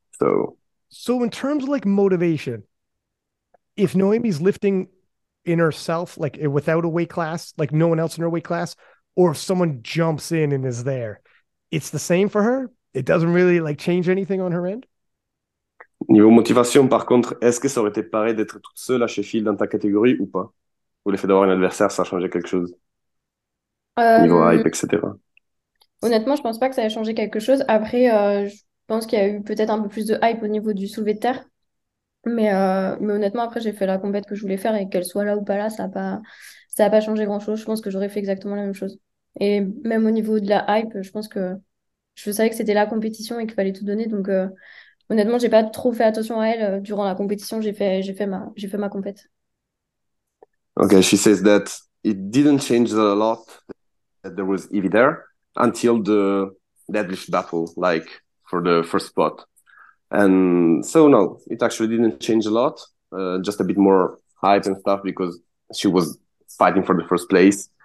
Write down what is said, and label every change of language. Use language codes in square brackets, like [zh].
[en] So So in terms of like motivation, if Noemi's lifting in herself, like without a weight class, like no one else in her weight class, or if someone jumps in and is there, it's the same for her. It doesn't really like change anything on her end. [fr] niveau motivation, par contre, est-ce que ça aurait été pareil d'être toute seule à Sheffield dans ta catégorie ou pas? Ou le fait d'avoir un adversaire, ça a changé quelque chose? Niveau hype, etc. Honnêtement, je pense pas que ça a changé quelque chose. Après, je pense qu'il y a eu peut-être un peu plus de hype au niveau du soulevé de terre. Mais honnêtement, après, j'ai fait la compète que je voulais faire et qu'elle soit là ou pas là, ça a pas changé grand-chose. Je pense que j'aurais fait exactement la même chose. Et même au niveau de la hype, je pense que je savais que c'était la compétition et qu'il fallait tout donner. Donc honnêtement, j'ai pas trop fait attention à elle durant la compétition. J'ai fait ma compète. [en] Okay, she says that it didn't change a lot that there was Evie there until the deadlift battle, like for the first spot. And so no, it actually didn't change a lot. Just a bit more hype and stuff because she was fighting for the first place.